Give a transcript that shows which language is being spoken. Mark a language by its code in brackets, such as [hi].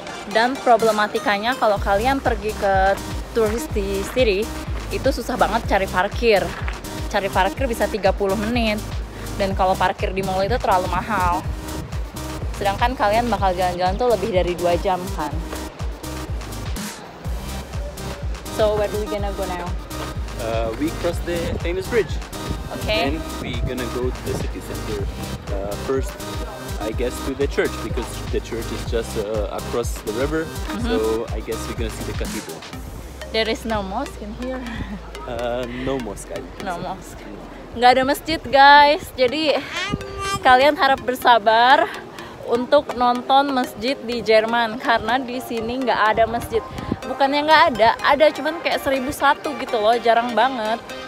[id] Dan problematikanya kalau kalian pergi ke touristy city, itu susah banget cari parkir. Cari parkir bisa 30 menit. Dan kalau parkir di mall itu terlalu mahal. Sedangkan kalian bakal jalan-jalan tuh lebih dari 2 jam kan. [en] So, where do we gonna go now? We cross the famous bridge. Okay. And we gonna go to the city center. First, I guess to the church, because the church is just across the river. Mm-hmm. So, I guess we're gonna see the cathedral. There is no mosque in here. No mosque. I no mosque. [id] Nggak ada masjid, guys. Jadi kalian harap bersabar untuk nonton masjid di Jerman, karena di sini nggak ada masjid. Bukannya nggak ada, ada, cuman kayak 1001 gitu loh, jarang banget.